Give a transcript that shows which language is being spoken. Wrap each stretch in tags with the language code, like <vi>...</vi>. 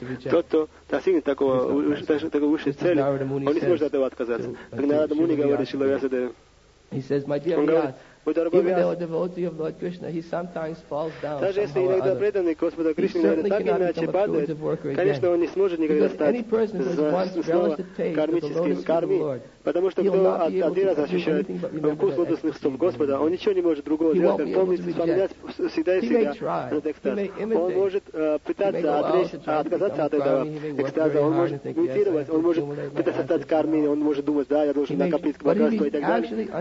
<ru>Тот, кто достигнет такой высшей цели, он не сможет от этого отказаться. Как Нарада Муни говорит Шиловясаде, он говорит:</ru> <en>even though a devotee of Lord Krishna, he sometimes falls down.</en> <ru>Даже если иногда преданный Господа Кришне,</ru> <en>he certainly cannot become a</en> <ru>конечно, он не сможет никогда стать.</ru> <en>Any person who has once relished the taste of the lotus feet of the Lord,</en> <ru>потому что кто один раз ощущает вкус лотосных стоп Господа, он ничего не может другого делать, как помнить, вспоминать всегда и всегда этот экстаз. Он может пытаться отказаться от этого экстаза, он может медитировать, он может пытаться стать кармин, он может думать, да, я должен накопить богатство и так далее.</ru>